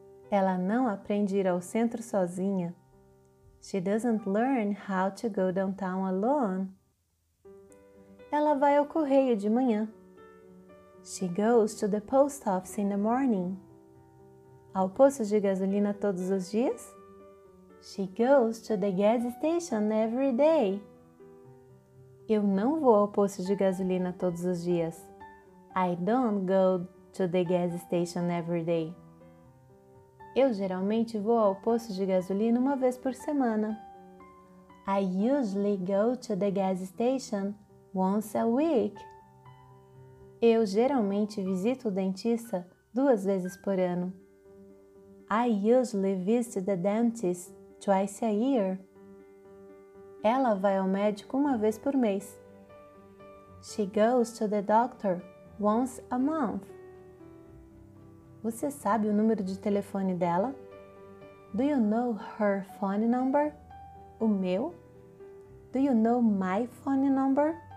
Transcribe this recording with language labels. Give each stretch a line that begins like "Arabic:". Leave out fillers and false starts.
Portuguese: Ela não aprende a ir ao centro sozinha.
English: She doesn't learn how to go downtown alone.
Portuguese: Ela vai ao correio de manhã.
English: She goes to the post office in the morning.
Portuguese: Ao posto de gasolina todos os dias?
English: She goes to the gas station every day.
Portuguese: Eu não vou ao posto de gasolina todos os dias.
English: I don't go to the gas station every day.
Portuguese: Eu geralmente vou ao posto de gasolina uma vez por semana.
English: I usually go to the gas station once a week.
Portuguese: Eu geralmente visito o dentista duas vezes por ano.
English: I usually visit the dentist twice a year.
Portuguese: Ela vai ao médico uma vez por mês.
English: She goes to the doctor once a month.
Portuguese: Você sabe o número de telefone dela?
English: Do you know her phone number?
Portuguese: O meu?
English: Do you know my phone number?